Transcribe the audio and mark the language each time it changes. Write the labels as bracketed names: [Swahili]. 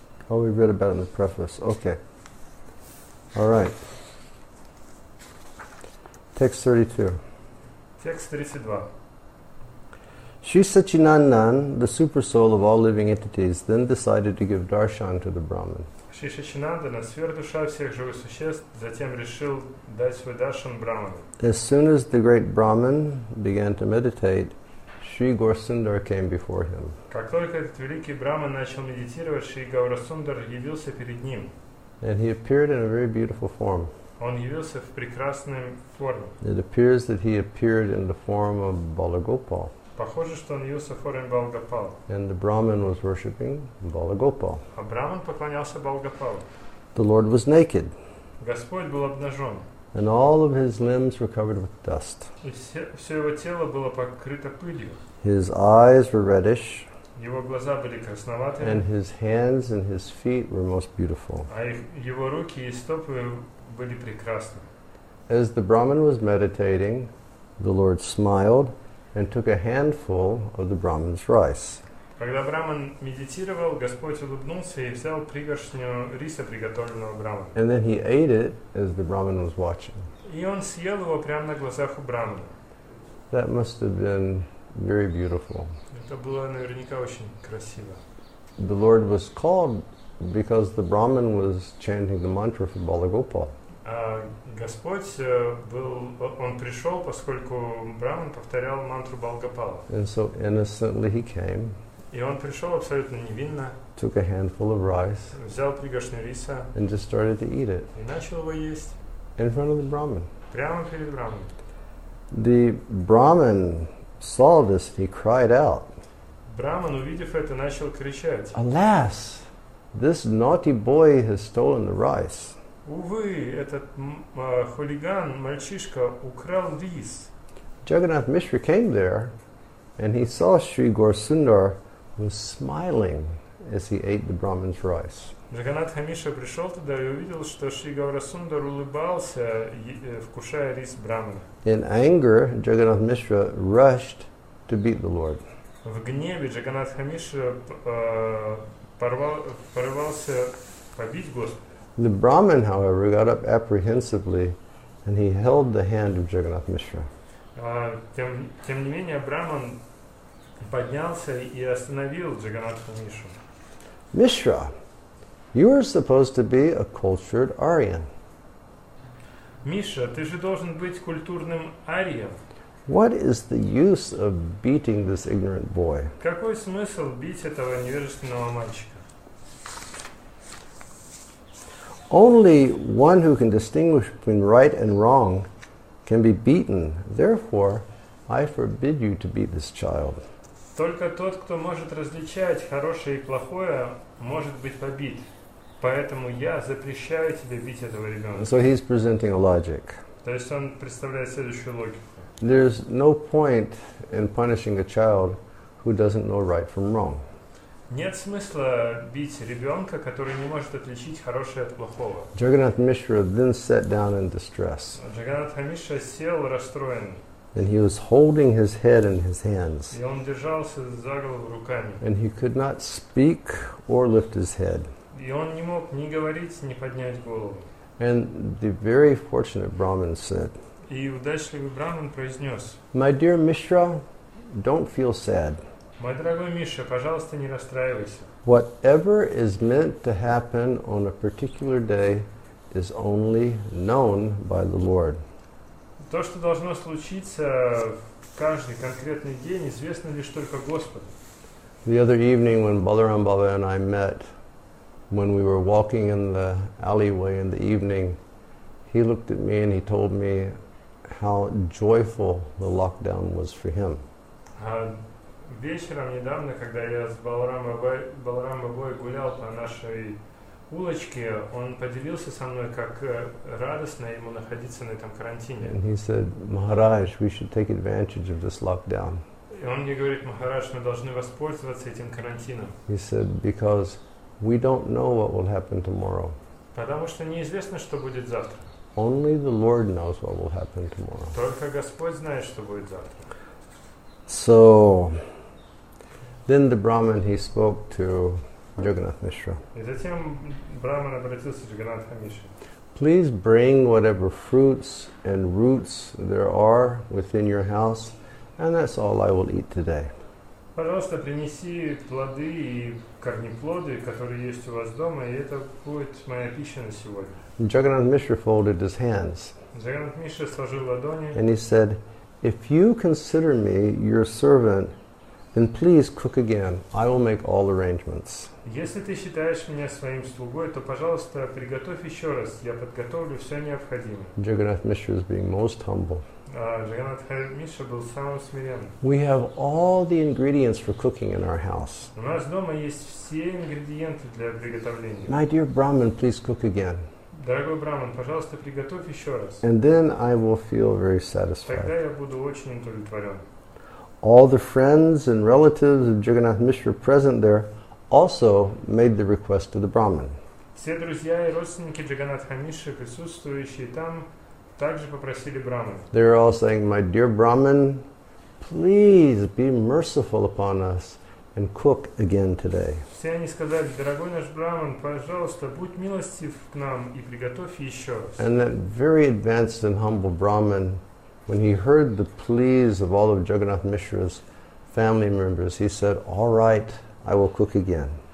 [English] Oh, we read about it in the preface. Okay. All right. Text 32. Text 32. Sri Sachinandan, the super soul of all living entities, then decided to give darshan to the Brahman. [Russian] Шри Сачинандана, сверхдуша всех живых существ, затем решил дать свой даршан Брахману. [English] As soon as the great Brahman began to meditate, Sri Gaurasundara came before him. [Russian] Как только этот великий Брахман начал медитировать, Шри Гаурасундар явился перед ним. [English] And he appeared in a very beautiful form. [Russian] Он явился в прекрасной форме. [English] It appears that he appeared in the form of Balagopal. [Russian] Похоже, что он явился в форме Балагопала. [English] And the Brahmin was worshipping Balagopal. [Russian] А Брахман поклонялся Балагопалу. [English] The Lord was naked. [Russian] Господь был обнажен. [English] And all of his limbs were covered with dust. [Russian] И все его тело было покрыто пылью. [English] His eyes were reddish. [Russian] Его глаза были красноватыми. [English] And his hands and his feet were most beautiful. [Russian] А его руки и стопы были прекрасны. [English] As the Brahmin was meditating, the Lord smiled and took a handful of the Brahmin's rice. [Russian] Когда Брахман медитировал, Господь улыбнулся и взял пригоршню риса, приготовленного Брахманом. [English] And then he ate it as the Brahmin was watching. [Russian] И он съел его прямо на глазах у Брахмана. [English] That must have been very beautiful. [Russian] Это было наверняка очень красиво. [English] The Lord was called because the Brahmin was chanting the mantra for Balagopal. [Russian] Господь был, он пришел, поскольку Брахман повторял мантру Балагопала. [English] And so innocently he came. [Russian] И он пришел абсолютно невинно. [English] Took a handful of rice. [Russian] Взял пригоршню риса. [English] And just started to eat it. [Russian] И начал его есть. [English] In front of the Brahmin. [Russian] Прямо перед Брахманом. [English] The Brahmin saw this and he cried out. [Russian] Брахман, увидев это, начал кричать. [English] Alas, this naughty boy has stolen the rice. [Russian] Увы, этот хулиган, мальчишка, украл рис. [English] Jagannath Mishra came there, and he saw Sri Gaurasundar was smiling as he ate the Brahmin's rice. [Russian] Jagannath Mishra пришел туда и увидел, что Sri Gaurasundar улыбался, вкушая рис Брахмана. [English] In anger, Jagannath Mishra rushed to beat the Lord. [Russian] В гневе Jagannath Mishra порывался побить Господа. [English] The Brahmin, however, got up apprehensively and he held the hand of Jagannath Mishra. [Russian] Тем не менее, Брахман поднялся и остановил Джаганатха Мишру. [English] Mishra, you are supposed to be a cultured Aryan. [Russian] Mishra, ты же должен быть культурным арием. [English] What is the use of beating this ignorant boy? [Russian] Какой смысл бить этого невежественного мальчика? [English] Only one who can distinguish between right and wrong can be beaten. Therefore, I forbid you to beat this child. [Russian] Только тот, кто может различать хорошее и плохое, может быть побит. Поэтому я запрещаю тебе бить этого ребенка. [English] So he's presenting a logic. [Russian] То есть он представляет следующую логику. [English] There's no point in punishing a child who doesn't know right from wrong. [Russian] Нет смысла бить ребенка, который не может отличить хорошее от плохого. [English] Jagannath Mishra then sat down in distress. [Russian] Jagannath Mishra сел расстроенный. [English] And he was holding his head in his hands. [Russian] И он держался за голову руками. [English] And he could not speak or lift his head. [Russian] И он не мог ни говорить, ни поднять голову. [English] And the very fortunate Brahmin said. [Russian] И удачливый Брахман произнес. [English] My dear Mishra, don't feel sad. [Russian] Мой дорогой Миша, пожалуйста, не расстраивайся. [English] Whatever is meant to happen on a particular day is only known by the Lord. [Russian] То, что должно случиться в каждый конкретный день, известно лишь только Господу. [English] The other evening when Balaram Baba and I met, when we were walking in the alleyway in the evening, he looked at me and he told me how joyful the lockdown was for him. [Russian] Вечером недавно, когда я с Баларамой гулял по нашей улочке, он поделился со мной, как радостно ему находиться на этом карантине. [English] And he said, Maharaj, we should take advantage of this lockdown. [Russian] И он мне говорит, Махарадж, мы должны воспользоваться этим карантином. [English] He said, because we don't know what will happen tomorrow. [Russian] Потому что неизвестно, что будет завтра. [English] Only the Lord knows what will happen tomorrow. [Russian] Только Господь знает, что будет завтра. [English] So, then the Brahman, he spoke to Jagannath Mishra. [Russian] И затем Брахман обратился к Джагнатху Мишре. [English] Please bring whatever fruits and roots there are within your house, and that's all I will eat today. [Russian] Пожалуйста, принеси плоды и корнеплоды, которые есть у вас дома, и это будет моя пища на сегодня. [English] Jagannath Mishra folded his hands. [Russian] Джагнат Мишра сложил ладони. [English] And he said, if you consider me your servant, then please cook again. I will make all arrangements. [Russian] Если ты считаешь меня своим слугой, то, пожалуйста, приготовь еще раз. Я подготовлю все необходимое. [English] Jagannath Mishra is being most humble. [Russian] Jagannath Mishra был самым смиренным. [English] We have all the ingredients for cooking in our house. [Russian] У нас дома есть все ингредиенты для приготовления. [English] My dear Brahman, please cook again. [Russian] Дорогой Брахман, пожалуйста, приготовь еще раз. [English] And then I will feel very satisfied. [Russian] Тогда я буду очень удовлетворен. [English] All the friends and relatives of Jagannath Mishra present there also made the request to the Brahman. [Russian] Все друзья и родственники Джагнатха Мишры, присутствующие там, также попросили Брахмана. [English] They are all saying, my dear Brahman, please be merciful upon us and cook again today. [Russian] Все они сказали, дорогой наш Брахман, пожалуйста, будь милостив к нам и приготовь еще раз. [English] And that very advanced and humble Brahman, when he heard the pleas of all of Jagannath Mishra's family members, he said, all right, I will cook again.